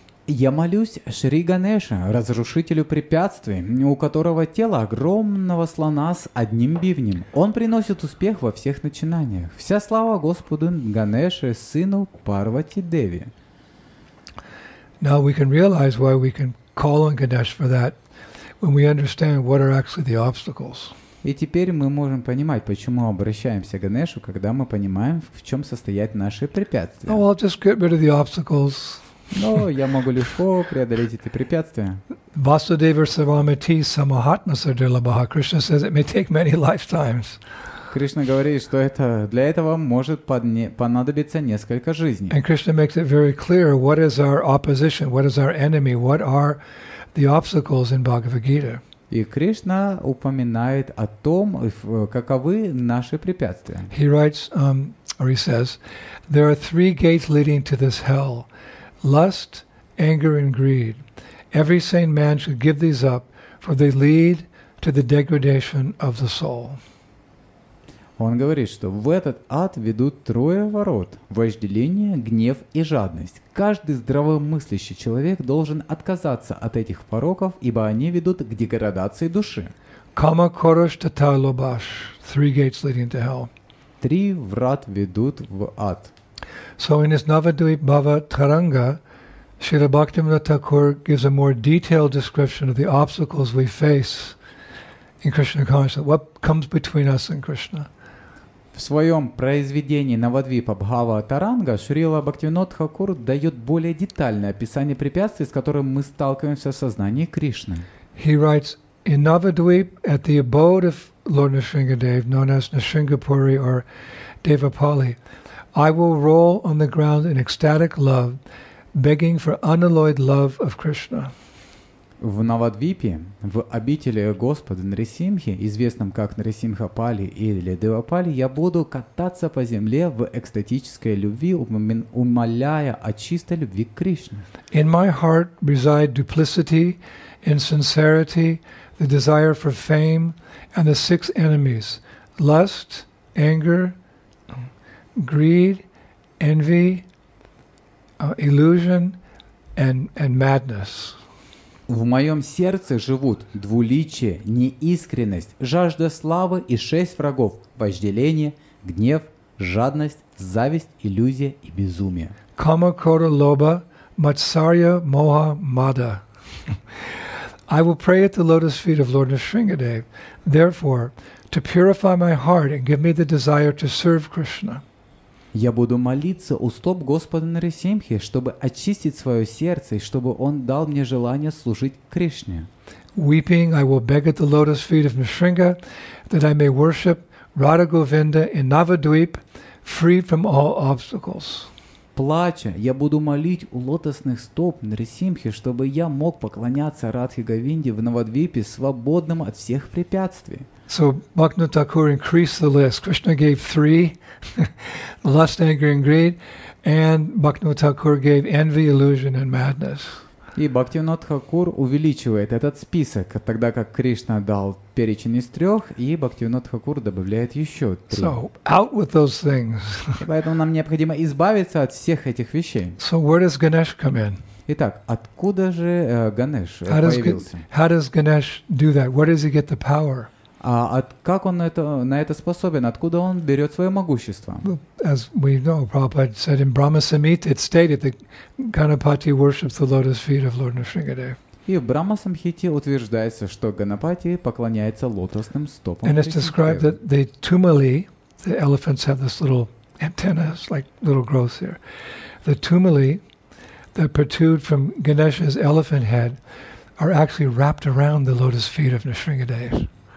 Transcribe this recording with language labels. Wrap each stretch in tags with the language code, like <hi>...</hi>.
<ru>Я молюсь Шри Ганеше, разрушителю препятствий, у которого тело огромного слона с одним бивнем. Он приносит успех во всех начинаниях. Вся слава Господу Ганеше, сыну Парвати Деви.</ru> <en>Now we can realize why we can call on Ganesh for that when we understand what are actually the obstacles.</en> <ru>И теперь мы можем понимать, почему обращаемся к Ганешу, когда мы понимаем, в чем состоят наши препятствия.</ru> <en>Oh, I'll just get rid of the obstacles.</en> <ru>Но я могу легко преодолеть эти препятствия.</ru> <sa>Vasudeva Savamiti Samahatma Sardilabaha.</sa> <en>Krishna says it may take many lifetimes.</en> <ru>Кришна говорит, что это для этого может понадобиться несколько жизней.</ru> <en>And Krishna makes it very clear what is our opposition, what is our enemy, what are the obstacles in Bhagavad Gita.</en> <ru>И Кришна упоминает о том, каковы наши препятствия.</ru> <en>He writes, or he says, there are three gates leading to this hell. Lust, anger, and greed. Every sane man should give these up, for they lead to the degradation of the soul.</en> <ru>Он говорит, что в этот ад ведут трое ворот – вожделение, гнев и жадность. Каждый здравомыслящий человек должен отказаться от этих пороков, ибо они ведут к деградации души.</ru> <sa>Kama, korosh, tata, lobash.</sa> <en>Three gates leading to hell.</en> <ru>Три врат ведут в ад.</ru> <en>So in his Navadvip Bhava Taranga, Srila Bhaktivinoda Thakur gives a more detailed description of the obstacles we face in Krishna consciousness, what comes between us and Krishna.</en> <ru>В своем произведении Навадвипа Бхава Таранга Шрила Бхактивинода Тхакур дает более детальное описание препятствий, с которыми мы сталкиваемся в сознании Кришны.</ru> <en>He writes, in Navadvip, at the abode of Lord Nrisingadev, known as Nrisingapuri or Devapali, I will roll on the ground in ecstatic love, begging for unalloyed love of Krishna.</en> <ru>В Навадвипе, в обители Господа Нарисимхи, известном как Нарисимхапали или Девапали, я буду кататься по земле в экстатической любви, умоляя о чистой любви к Кришне.</ru> <en>In my heart reside duplicity, insincerity, the desire for fame, and the six enemies: lust, anger, greed, envy, illusion, and madness.</en> <ru>В моем сердце живут двуличие, неискренность, жажда славы и шесть врагов – вожделение, гнев, жадность, зависть, иллюзия и безумие.</ru> <sa>Kama, kora, loba, matsarya, moha, mada.</sa> <en>I will pray at the lotus feet of Lord Nrisingadev, therefore, to purify my heart and give me the desire to serve Krishna.</en> <ru>Я буду молиться у стоп Господа Нарисимхи, чтобы очистить свое сердце и чтобы Он дал мне желание служить Кришне.</ru> <en>Weeping, I will beg at the lotus feet of Nrisinga that I may worship Radha Govinda in Navadvip, free from all obstacles.</en> <ru>Плача, я буду молить у лотосных стоп Нарисимхи, чтобы я мог поклоняться Радхе Говинде в Навадвипе, свободным от всех препятствий.</ru> <en>So Bhaktivinoda Thakur increased the list. Krishna gave three: lust, anger, and greed. And Bhaktivinoda Thakur gave envy, illusion, and madness.</en> <ru>И Бхактивинода Тхакур увеличивает этот список, тогда как Кришна дал перечень из трех, и Бхактивинода Тхакур добавляет еще три.</ru> <en>So out with those things.</en> <ru>Поэтому нам необходимо избавиться от всех этих вещей.</ru> <en>So where does Ganesh come in?</en> <ru>Итак, откуда же Ганеш появился?</ru> <en>How does Ganesh do that? Where does he get the power?</en> <ru>как он на это способен? Откуда он берет свое могущество?</ru> <en>As we know, Prabhupada said in Brahma Samhita, it stated that Ganapati worships the lotus feet of Lord Nrisingadev.</en> <ru>И в Брахма Самхите утверждается, что Ганапати поклоняется лотосным стопам.</ru> <en>And it's described that the tumuli, the elephants have this little antennas, like little growths here. The tumuli that protrude from Ganesha's elephant head are actually wrapped around the lotus feet of Nrisingadev.</en>